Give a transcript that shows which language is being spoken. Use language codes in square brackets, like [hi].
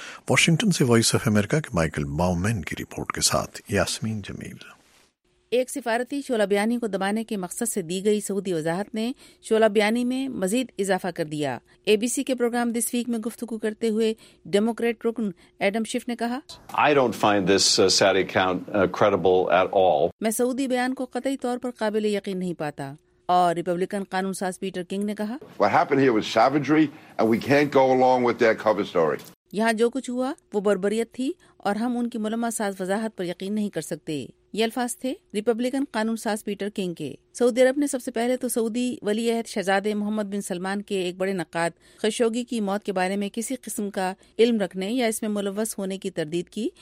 [ur] Washington سے voice of America کے Michael باومین کی رپورٹ کے ساتھ یاسمین جمیل. ایک سفارتی شعلہ بیانی کو دبانے کے مقصد سے دی گئی سعودی وضاحت نے شعلہ بیانی میں مزید اضافہ کر دیا. اے بی سی کے پروگرام دس ویک میں گفتگو کرتے ہوئے ڈیموکریٹ رکن ایڈم شیف نے کہا, [en] I don't find this sad account credible at all. [ur] میں سعودی بیان کو قطعی طور پر قابل یقین نہیں پاتا. اور ریپبلکن قانون ساز پیٹر کنگ نے کہا, [en] What happened here was savagery and we can't go along with their cover story. [ur] یہاں جو کچھ ہوا وہ بربریت تھی اور ہم ان کی ملمہ ساز وضاحت پر یقین نہیں کر سکتے. یہ الفاظ تھے ریپبلکن قانون ساز پیٹر کنگ کے. سعودی عرب نے سب سے پہلے تو سعودی ولی عہد شہزادے محمد بن سلمان کے ایک بڑے نقاد خشوگی کی موت کے بارے میں کسی قسم کا علم رکھنے یا اس میں ملوث ہونے کی تردید کی.